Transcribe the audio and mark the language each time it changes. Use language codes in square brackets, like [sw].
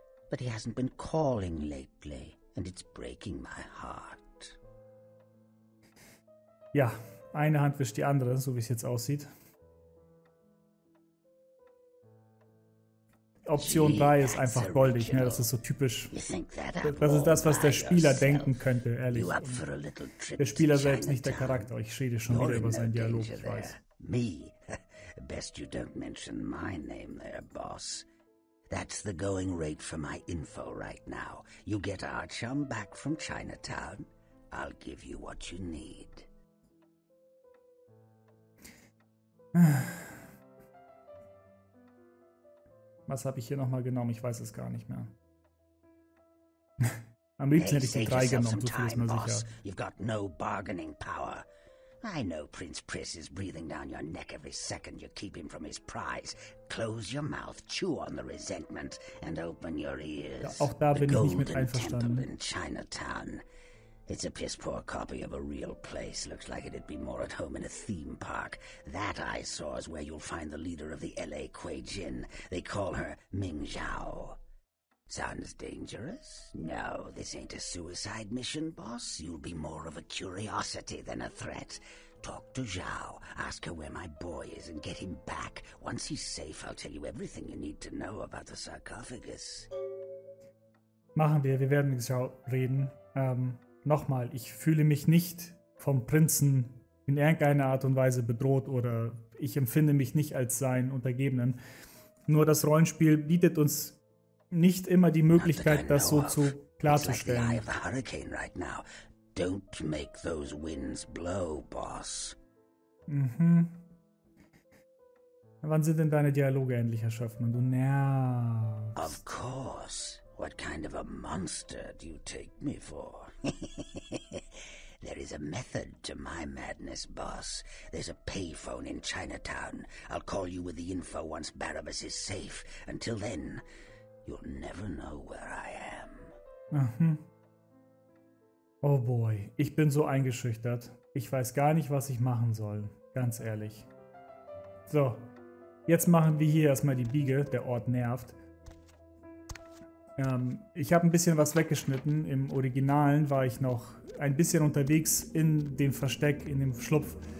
[en] But he hasn't been calling lately, and it's breaking my heart. [de] Ja, eine Hand wischt die andere, so wie es jetzt aussieht. Option 3 ist einfach goldig, ne? Das ist so typisch. Das ist das, was der Spieler denken könnte, ehrlich. Der Spieler selbst, nicht der Charakter. Ich rede schon wieder über seinen Dialog, ich weiß. [en] Me. Best you don't mention my name there, boss. That's the going rate for my info right now. You get our chum back from Chinatown, I'll give you what you need. [de] Was habe ich hier nochmal genommen? Ich weiß es gar nicht mehr. Am liebsten hätte ich die 3 genommen, so viel ist mir sicher. [en] You've got no bargaining power. I know Prince Pris is breathing down your neck every second you keep him from his prize. Close your mouth, chew on the resentment and open your ears. [de] Ja, auch da bin ich nicht mit einverstanden. [en] The Golden Temple in Chinatown. It's a piss-poor copy of a real place. Looks like it'd be more at home in a theme park. That I saw is where you'll find the leader of the L.A. Quajin. They call her Ming Zhao. Sounds dangerous? No, this ain't a suicide mission, boss. You'll be more of a curiosity than a threat. Talk to Zhao. Ask her where my boy is and get him back. Once he's safe, I'll tell you everything you need to know about the sarcophagus. [de] Machen wir. Wir werden mit Zhao reden. Nochmal, ich fühle mich nicht vom Prinzen in irgendeiner Art und Weise bedroht oder ich empfinde mich nicht als sein Untergebenen. Nur das Rollenspiel bietet uns nicht immer die Möglichkeit, das so zu klarzustellen. [en] It's like the eye of the hurricane right now. Don't make those winds blow, boss. Mhm. [de] Wann sind denn deine Dialoge endlich erschöpft, Mann? Du nervst. [en] Of course. What kind of a monster do you take me for? There is a method to my madness, boss. There's a payphone in Chinatown. I'll call you with the info once Barabbas is safe. Until then, you'll never know where I am. [de] Mhm. [en] Oh boy, [de] ich bin so eingeschüchtert. Ich weiß gar nicht, was ich machen soll. Ganz ehrlich. So, jetzt machen wir hier erstmal die Biege. Der Ort nervt. Ich habe ein bisschen was weggeschnitten. Im Originalen war ich noch ein bisschen unterwegs in dem Versteck, in dem Schlupf.